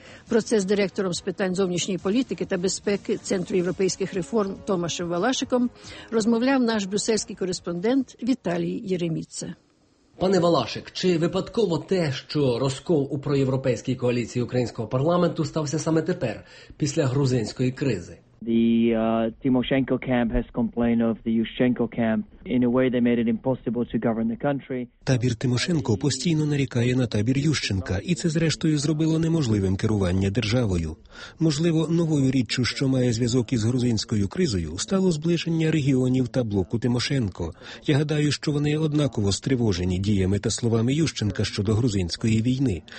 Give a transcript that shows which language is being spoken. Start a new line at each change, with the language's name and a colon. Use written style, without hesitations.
Ukrainian: Про це з директором з питань зовнішньої політики та безпеки Центру європейських реформ Томашем Валашиком розмовляв наш брюссельський кореспондент Віталій Єреміця. Пане Валашик, чи випадково те, що розкол у проєвропейській коаліції українського парламенту стався саме тепер, після грузинської кризи?
English: Тимошенко camp has complained of the Ющенко camp in a way they made it impossible to govern the country.
Ukrainian: Табір Тимошенко постійно нарікає на табір Ющенка, і це зрештою зробило неможливим керування державою. Можливо, новою річчю, що має зв'язок із грузинською кризою, стало зближення регіонів та блоку Тимошенко. Я гадаю, що вони однаково стривожені діями та словами Ющенка щодо грузинської війни.